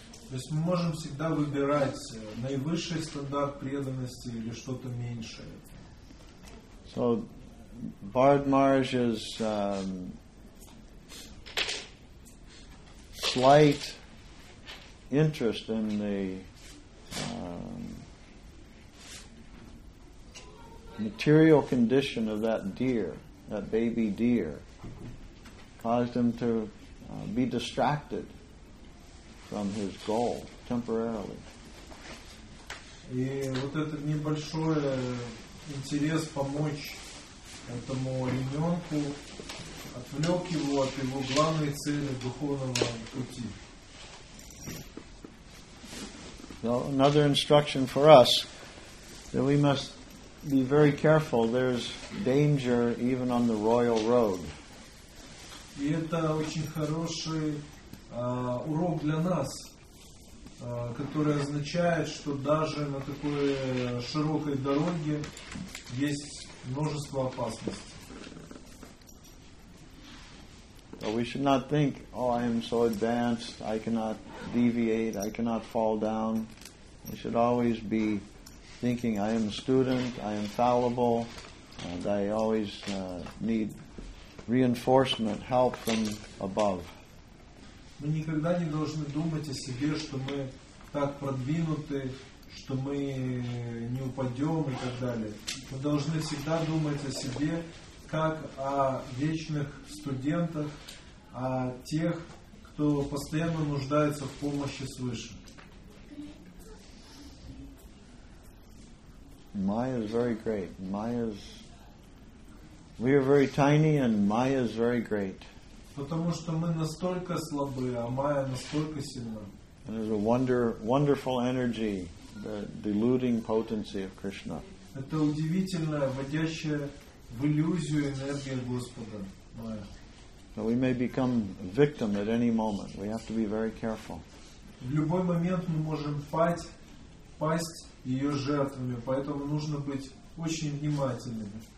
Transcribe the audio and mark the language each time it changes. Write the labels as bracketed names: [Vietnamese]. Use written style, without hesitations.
[Russian] То есть мы можем всегда выбирать наивысший стандарт преданности или что-то меньшее. [English] So Bharat Maharaj is slight interest in the material condition of that deer, that baby deer, caused him to be distracted from his goal temporarily. [Russian] И вот этот небольшой интерес помочь этому ребенку отвлек его от его главной цели духовного пути. [English] Well, another instruction for us that we must be very careful. There's danger even on the royal road. [Russian] И это очень хороший урок для нас, который означает, что даже на такой широкой дороге есть множество опасностей. [English] But we should not think, oh, I am so advanced, I cannot deviate, I cannot fall down. We should always be thinking, I am a student, I am fallible, and I always need reinforcement, help from above. [Russian] Мы никогда не должны думать о себе, что мы так продвинуты, что мы не упадем и так далее. Мы должны всегда думать о себе, как о вечных студентах, о тех, кто постоянно нуждается в помощи свыше. [English] Maya is very great. We are very tiny, and Maya is very great. [Russian] Потому что мы настолько слабы, а Maya настолько сильна. [English] And there's a wonderful energy, the deluding potency of Krishna. [Russian] Это удивительная, вводящая в иллюзию энергия Господа, Maya. [English] So we may become victim at any moment. We have to be very careful. [Russian] В любой момент мы можем пасть ее жертвами, поэтому нужно быть очень внимательными.